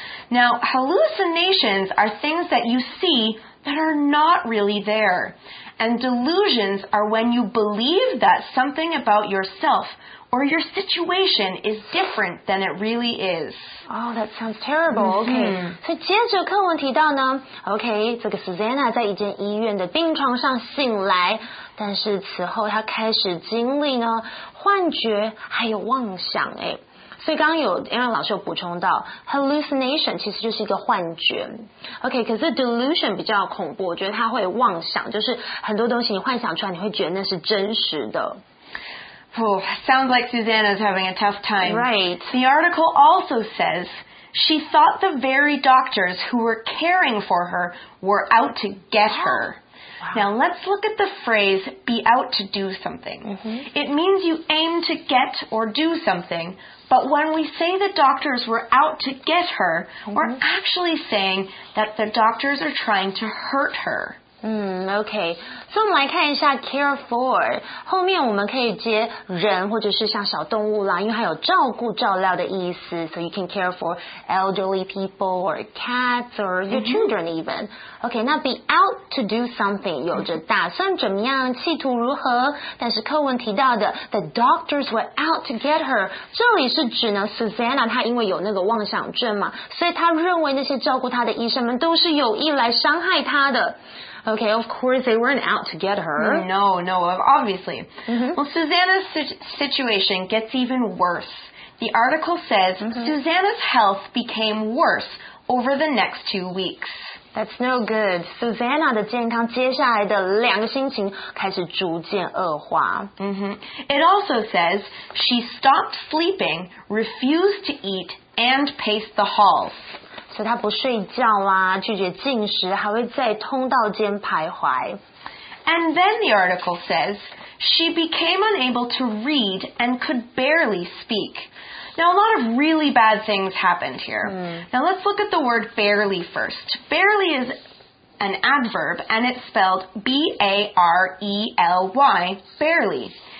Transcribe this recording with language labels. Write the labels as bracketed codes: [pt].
[en] Now, hallucinations are things that you see that are not really thereAnd delusions are when you believe that something about yourself or your situation is different than it really is. Oh, that sounds terrible. Okay. [zh] 所以接着课文提到呢 ,OK, 这个 Susanna 在一间医院的病床上醒来，但是此后她开始经历呢幻觉还有妄想诶。所以刚刚有 Anna 老师有补充到 hallucination 其实就是一个幻觉 OK, 可是 delusion 比较恐怖，我觉得它会妄想，就是很多东西你幻想出来你会觉得那是真实的。 [en] Oh, sounds like Susanna's having a tough time. Right. The article also says she thought the very doctors who were caring for her were out to get her. Now let's look at the phrase be out to do something. Mm-hmm. It means you aim to get or do somethingBut when we say the doctors were out to get her, we're actually saying that the doctors are trying to hurt her. [zh] OK. 所以我们来看一下 care for. 后面我们可以接人或者是像小动物啦，因为它有照顾照料的意思。 [en] So you can care for elderly people or cats or your children even. [zh] OK, 那 [en] be out to do something [zh] 有着打算怎么样，企图如何。但是课文提到的 [en] the doctors were out to get her, [zh] 这里是指呢 Susanna 她因为有那个妄想症嘛，所以她认为那些照顾她的医生们都是有意来伤害她的。 [en] Okay, of course, they weren't out to get her. No, no, obviously. Mm-hmm. Well, Susanna's situation gets even worse. The article says Susanna's health became worse over the next 2 weeks. That's no good. [zh] Susanna 的健康接下来的两个星期开始逐渐恶化。 [en] It also says she stopped sleeping, refused to eat, and paced the halls. [zh] 所以她不睡觉啦，拒绝进食，还会在通道间徘徊。 [en] And then the article says, she became unable to read and could barely speak. Now, a lot of really bad things happened here. Now, let's look at the word barely first. Barely is an adverb, and it's spelled B-A-R-E-L-Y, barely.